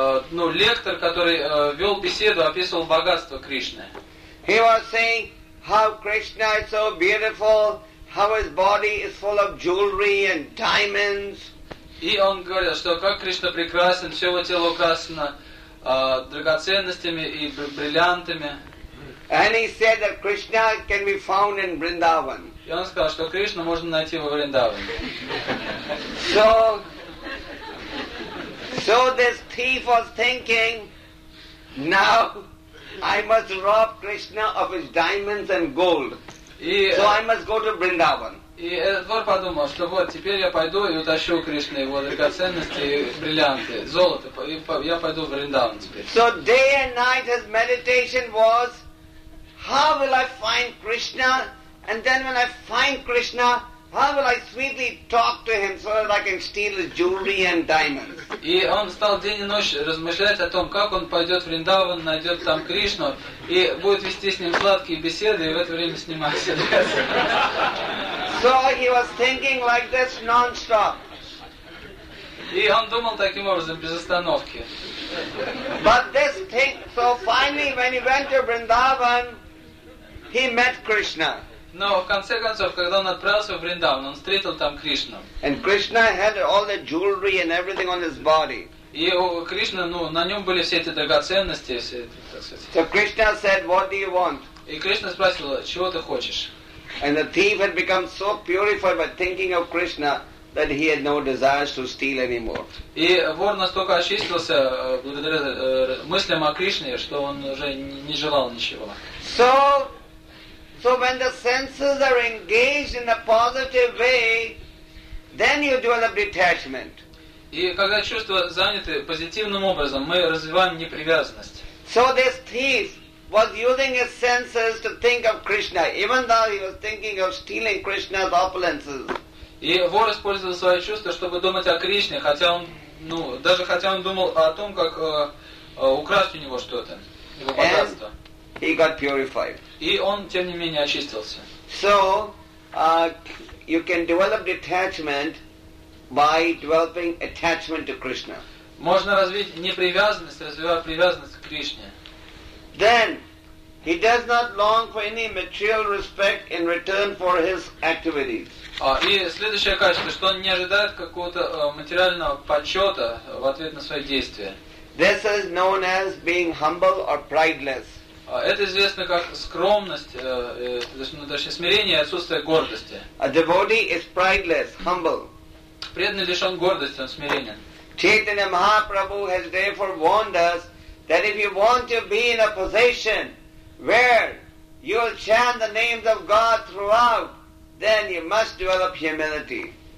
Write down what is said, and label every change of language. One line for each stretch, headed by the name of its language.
Russian: Ну, лектор, который вел беседу, описывал богатство Кришны.
English: He was saying how Krishna is so beautiful, how his body is full of jewelry and diamonds.
Russian: И он говорил, что как Кришна прекрасен, все его тело украшено драгоценностями и бриллиантами.
English: And he said that Krishna can be found in Vrindavan.
Russian: И он сказал, что Кришну можно найти во Вриндаване.
English: So this thief was thinking, now I must rob Krishna of his diamonds and gold. So I must go to Vrindavan.
Russian: И этот вор подумал, что вот теперь я пойду и утащу Кришну его драгоценности, бриллианты, золото, и я пойду в Вриндаван теперь.
English: So day and night his meditation was, how will I find Krishna? And then when I find Krishna, how will I sweetly talk to him so that I can steal his jewelry and diamonds?
Russian: И он стал день и ночь размышлять о том, как он пойдет в Вриндаван, найдет там Кришну и будет вести с ним сладкие беседы и в это время снимать себя.
English: So he was thinking like this non-stop.
Russian: И он думал таким образом без остановки.
English: But this thing, so finally when he went to Vrindavan, he met Krishna.
Russian: Но в конце концов, когда он отправился в Вриндаван, он встретил там Кришну.
English: And Krishna had all the jewelry and everything on his body.
Russian: И у Кришны, ну, на нем были все эти драгоценности, все эти, так сказать.
English: So Krishna said, "What do you want?"
Russian: И Кришна спросил, чего ты хочешь?
English: And the thief had become so purified by thinking of Krishna that he had no desires to steal anymore.
Russian: И вор настолько очистился благодаря мыслям о Кришне, что он уже не желал ничего.
English: So when the senses are engaged in a positive way, then you develop detachment.
Russian: И когда чувства заняты позитивным образом, мы развиваем непривязанность.
English: So this thief was using his senses to think of Krishna, even though he was thinking of stealing Krishna's opulences.
Russian: И вор использовал свои чувства, чтобы думать о Кришне, хотя он, ну, даже хотя он думал о том, как украсть у него что-то, его богатство.
English: He got purified.
Russian: И он, тем не менее, очистился.
English: So, you can develop detachment by developing attachment to Krishna.
Russian: Можно развить непривязанность, развивая привязанность к Кришне.
English: Then, he does not long for any material respect in return for his activities.
Russian: И следующее качество, что он не ожидает какого-то материального почета в ответ на свои действия.
English: This is known as being humble or prideless.
Russian: Это известно как скромность, точнее смирение и отсутствие гордости.
English: A devotee is prideless, humble.
Russian: Преданный лишен гордости, он смиренен.
English: Chaitanya Mahaprabhu has therefore warned us that if you want to be in a position where you will chant the names of God throughout, then you must develop humility.